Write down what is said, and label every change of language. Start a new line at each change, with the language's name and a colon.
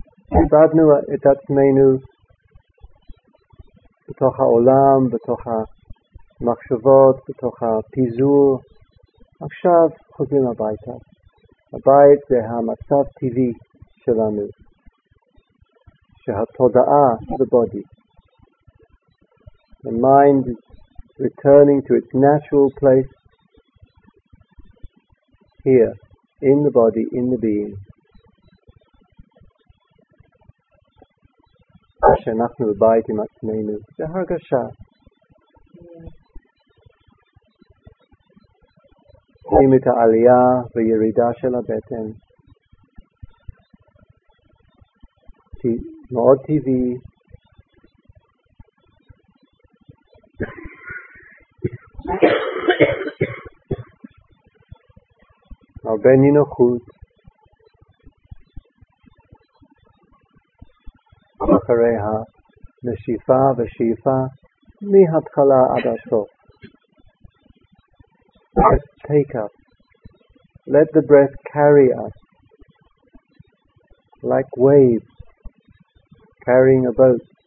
Hebrew: עבדנו את עצמנו בתוך העולם, בתוך המחשבות, בתוך הפיזור. עכשיו חוזרים הביתה. הבית זה המצב טבעי שלנו, שהתודעה
English: the body. The mind is returning to its natural place here, in the body, in the being.
Hebrew: שאנחנו בבית עם עצמנו. זה הרגשה. רואים את העלייה וירידה של הבטן. מאוד טבעי. הרבה נינוחות אחרי הנשיפה ושאיפה מההתחלה עד הסוף.
English: Take up. Let the breath carry us like waves carrying a boat.